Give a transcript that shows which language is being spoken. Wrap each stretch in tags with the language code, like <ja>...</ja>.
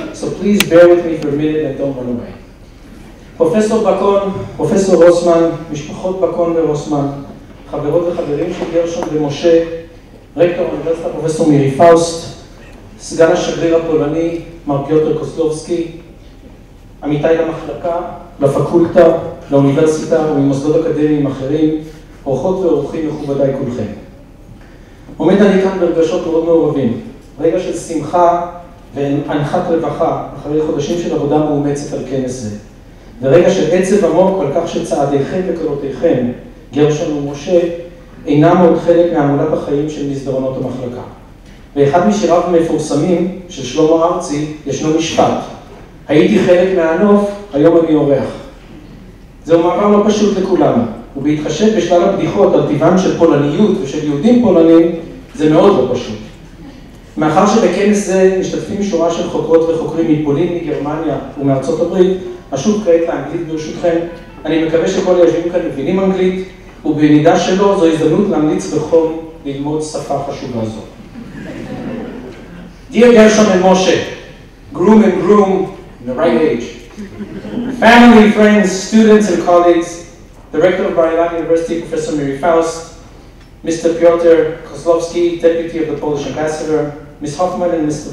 <en>So please bear with me for a minute and don't run away.</en> <he>Professor Bakon, Professor Rosman, Mishpachot Bakon ve-Rosman, Chaverot ve-Chaverim shel Gershon ve-Moshe, Rektor Universita Professor Miri Faust, Sgan ha-Shagrir ha-Polani, Mar Piotr Kozlovsky, Amitai la-Machlaka, la-Fakulta, la-Universita ומ-Mosdod Akademiים אחרים, אורחות ואורחים מכובדיי כולכם. עומד אני כאן ברגשות מאוד מעורבים, רגע של שמחה ואנחת רווחה אחרי חודשים של עבודה מאומצת על כנס זה, ורגע של עצב עמוק על כך שצעדיכם וקולותיכם, גרשון ומשה, אינם עוד חלק מהמולת החיים של מסדרונות המחלקה. באחד משיריו המפורסמים של שלמה ארצי ישנו משפט, הייתי חלק מהנוף, היום אני אורח. זהו מעבר לא פשוט לכולנו. ובהתחשב בשלל הבדיחות על טבען של פולניות ושל יהודים פולנים, זה מאוד לא פשוט. מאחר שבכנס זה משתתפים שורה של חוקרות וחוקרים מפולין, מגרמניה ומארצות הברית, אשוב כעת לאנגלית ברשותכם, אני מקווה שכל היושבים כאן מבינים אנגלית, ובמידה שלא זו הזדמנות להמליץ בחום ללמוד שפה חשובה זו.</he> <en>Dear Gershon and Moshe, groom and groom in the right age, family, friends, students and colleagues, the Rector of Bar-Ilan University, Professor Miri Faust, Mr. Piotr Kozlovsky, Deputy of the Polish Ambassador, Ms. Hoffman and Mr.</en>